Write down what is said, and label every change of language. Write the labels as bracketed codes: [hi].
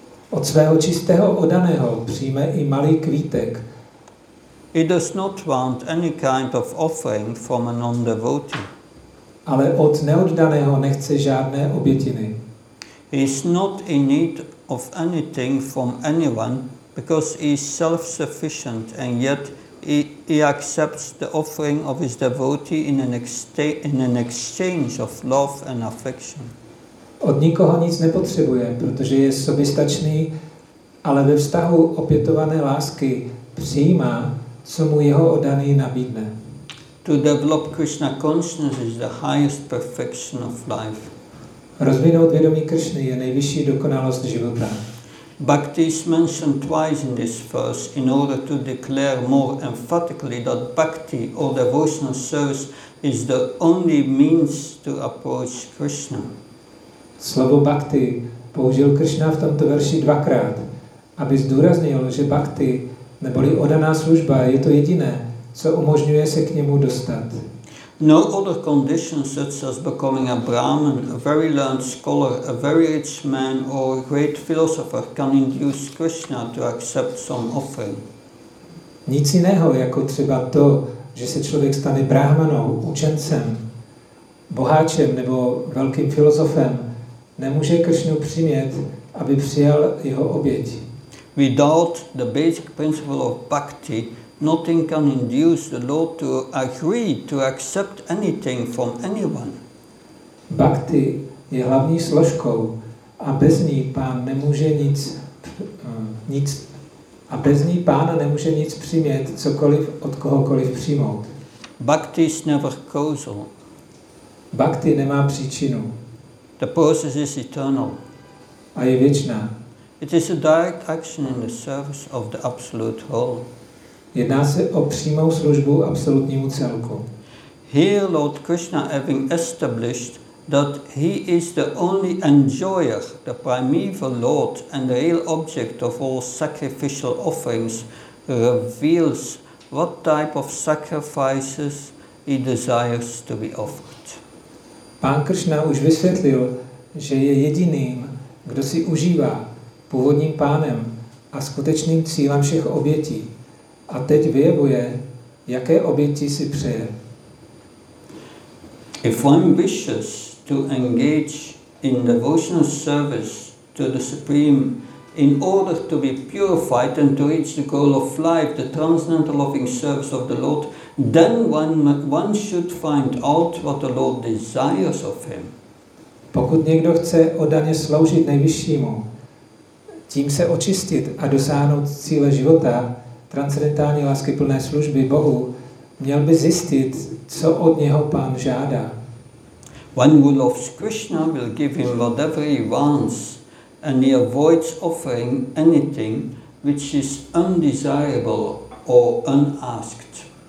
[cs] Od svého čistého oddaného přijme i malý kvítek. [en] He does not want any kind of offering from a non-devotee. [cs] Ale od neoddaného nechce žádné obětiny. [en] He is not in need of anything from anyone, because he is self-sufficient, and yet he accepts the offering of his devotee in an exchange of love and affection. [cs] Od nikoho nic nepotřebuje, protože je soběstačný, ale ve vztahu opětované lásky přijímá, co mu jeho oddaný nabídne. [en] To develop Krishna consciousness is the highest perfection of life. [cs] Rozvinout vědomí Krishny je nejvyšší dokonalost života. [en] Bhakti is mentioned twice in this verse in order to declare more emphatically that bhakti or devotional service is the only means to approach Krishna. [cs] Slovo bhakti použil Krishna v tomto verši dvakrát, aby zdůraznil, že bhakti neboli oddaná služba je to jediné, co umožňuje se k němu dostat. [en] No other condition such as becoming a brahman, a very learned scholar, a very rich man or a great philosopher can induce Krishna to accept some offering. [cs] Nic jiného jako třeba to, že se člověk stane brahmanou, učencem, boháčem nebo velkým filozofem, nemůže Krishnu přimět, aby přijal jeho oběť. [en] Without the basic principle of bhakti, nothing can induce the Lord to agree to accept anything from anyone. [cs] Bhakti je hlavní složkou a bez ní pán nemůže nic nic, a bez ní pána nemůže nic přimět, cokoliv od kohokoliv přijmout. [en] Bhakti is never causal. [cs] Bhakti nemá příčinu. [en] The process is eternal. [cs] A je věčná. [en] It is a direct action in the service of the absolute whole. [cs] Jedná se o přímou službu absolutnímu celku. [en] Here Lord Krishna having established that he is the only enjoyer, the primeval Lord and the real object of all sacrificial offerings, reveals what type of sacrifices he desires to be offered. [cs] Pán Krishna už vysvětlil, že je jediným, kdo si užívá původním pánem a skutečným cílem všech obětí. A teď vyjevuje, jaké oběti si přeje. [en] If one wishes to engage in devotional service to the Supreme in order to be purified and to reach the goal of life, the transcendental loving service of the Lord, then one should find out what the Lord desires of him. [cs] Pokud někdo chce oddaně sloužit nejvyššímu, tím se očistit a dosáhnout cíle života, transcendentální lásky plné služby Bohu, měl by zjistit, co od něho pán žádá. [en] One who loves Krishna will give him whatever he wants and he avoids offering anything which is undesirable or unasked.